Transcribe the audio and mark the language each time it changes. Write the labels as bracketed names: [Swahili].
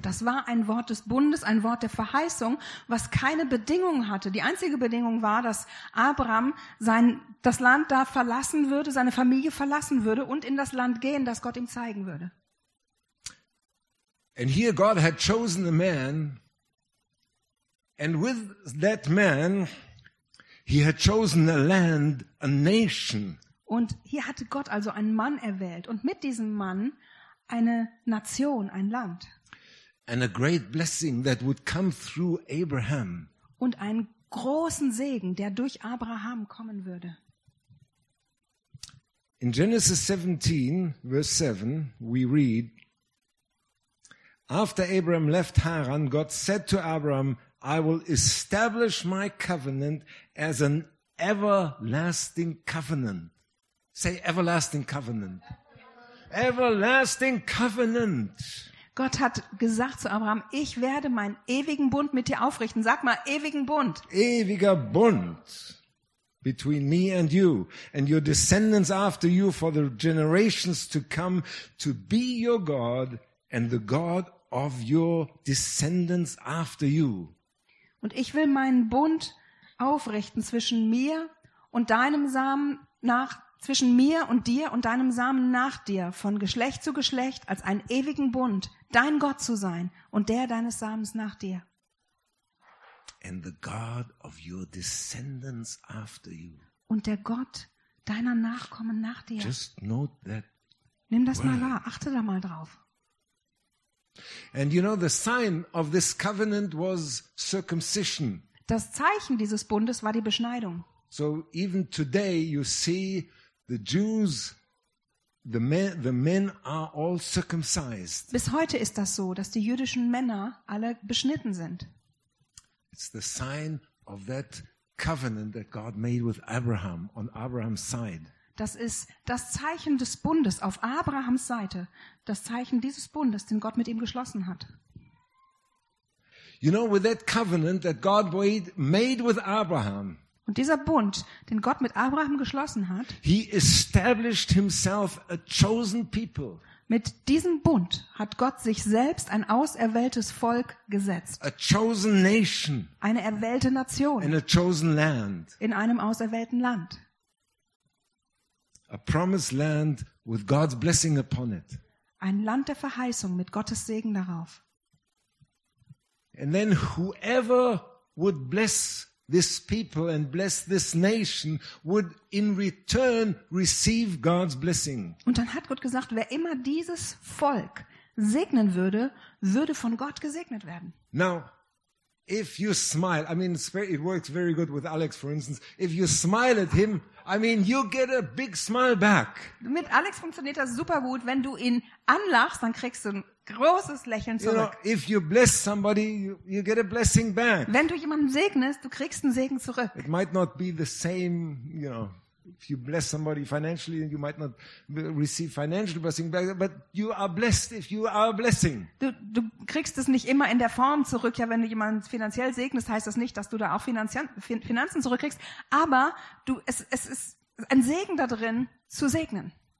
[German] Das war ein Wort des Bundes, ein Wort der Verheißung, was keine Bedingung hatte. Die einzige Bedingung war, dass Abraham das Land da verlassen würde, seine Familie verlassen würde und in das Land gehen, das Gott ihm zeigen würde. [English] And here God had chosen a man, and with that man he had chosen a land, a nation. [German] Und hier hatte Gott also einen Mann erwählt und mit diesem Mann eine Nation, ein Land. [English] And a great blessing that would come through Abraham. [German] Und einen großen Segen, der durch Abraham kommen würde. [English] In Genesis 17, verse 7, we read, after Abraham left Haran, God said to Abraham, I will establish my covenant as an everlasting covenant. Say everlasting covenant. Everlasting covenant. [German] Gott hat gesagt zu Abraham, ich werde meinen ewigen Bund mit dir aufrichten. Sag mal, ewigen Bund. Ewiger Bund [English] between me and you and your descendants after you for the generations to come to be your God and the God of your descendants after you. [German] Und ich will meinen Bund aufrichten zwischen mir und deinem Samen nach, zwischen mir und dir und deinem Samen nach dir, von Geschlecht zu Geschlecht, als einen ewigen Bund, dein Gott zu sein und der deines Samens nach dir. [English] And the God of your descendants after you. [German] Und der Gott deiner Nachkommen nach dir. [English] Just note that. [German] Nimm das mal wahr, achte da mal drauf. [English] And you know the sign of this covenant was circumcision. [German] Das Zeichen dieses Bundes war die Beschneidung. [English] So even today you see the Jews, the men are all circumcised. [German] Bis heute ist das so, dass die jüdischen Männer alle beschnitten sind. [English] It's the sign of that covenant that God made with Abraham on Abraham's side. [German] Das ist das Zeichen des Bundes auf Abrahams Seite. Das Zeichen dieses Bundes, den Gott mit ihm geschlossen hat. [English] You know, with that covenant that God made with Abraham. [German] Und dieser Bund, den Gott mit Abraham geschlossen hat, [English] he established himself a chosen people. [German] Mit diesem Bund hat Gott sich selbst ein auserwähltes Volk gesetzt. [English] A chosen nation. [German] Eine erwählte Nation. [English] In a chosen land. [German] In einem auserwählten Land. [English] A promised land with God's blessing upon it. [German] Ein Land der Verheißung mit Gottes Segen darauf. [English] And then whoever would bless this people and bless this nation would in return receive God's blessing. [German] Und dann hat Gott gesagt, wer immer dieses Volk segnen würde, würde von Gott gesegnet werden. [English] Now, if you smile, I mean, it works very good with Alex, for instance. If you smile at him, I mean, you get a big smile back. [German] Mit Alex funktioniert das super gut. Wenn du ihn anlachst, dann kriegst du ein großes Lächeln zurück. [English] You know, if you bless somebody, you get a blessing back. [German] Wenn du jemanden segnest, du kriegst einen Segen zurück. [English] It might not be the same, you know, if you bless somebody financially, you might not receive financial blessing back, but you are blessed if you are a blessing. [German] Du kriegst es nicht immer in der Form zurück. Ja, wenn du jemanden finanziell segnest, heißt das nicht, dass du da auch Finanzen zurückkriegst, aber es ist ein Segen da drin, zu segnen.